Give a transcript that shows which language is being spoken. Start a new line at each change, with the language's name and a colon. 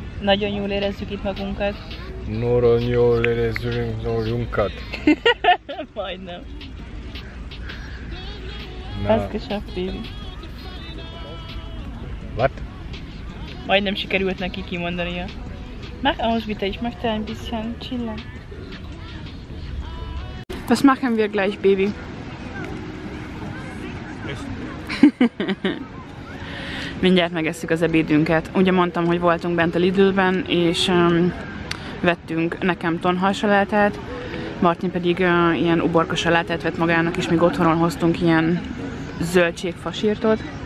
Hungarian: Nagyon jól érezzük itt magunkat. Nagyon jól érezzük magunkat. Majdnem.
German: Was geschafft, baby?
English: What?
Hungarian: Majdnem sikerült neki kimondania.
German: Mach aus, bitte, ich möchte ein bisschen chillen. Was machen wir gleich, baby?
Hungarian: Mindjárt megesszük az ebédünket. Ugye mondtam, hogy voltunk bent a Lidl-ben, és vettünk nekem tonhalsalátát, Martin pedig ilyen uborkasalátát vett magának, és még otthonról hoztunk ilyen zöldségfasírtot.